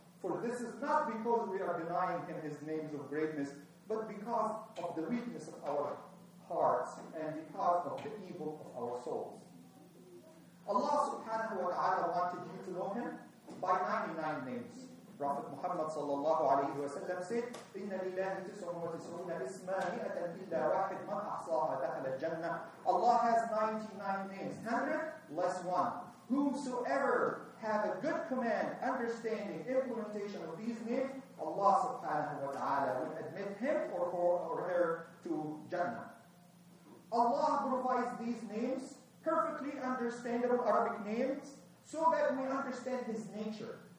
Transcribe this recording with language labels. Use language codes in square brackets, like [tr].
[en] For this is not because we are denying him his names of greatness, but because of the weakness of our hearts and because of the evil of our souls. Allah subhanahu wa ta'ala wanted you to know him by 99 names. Prophet Muhammad sallallahu alayhi wa sallam said, [ar] إِنَّ لِلَّهِ تِسْعُونَ وَتِسْعُونَ إِسْمَا مِئَةً إِلَّا وَاحِدْ مَنْ أَحْصَاهَا دَخَلَ الْجَنَّةِ. [en] Allah has 99 names, 100 less one. Whomsoever have a good command, understanding, implementation of these names, Allah subhanahu wa ta'ala will admit him or her to Jannah. Allah provides these names, perfectly understandable Arabic names, so that we understand his nature.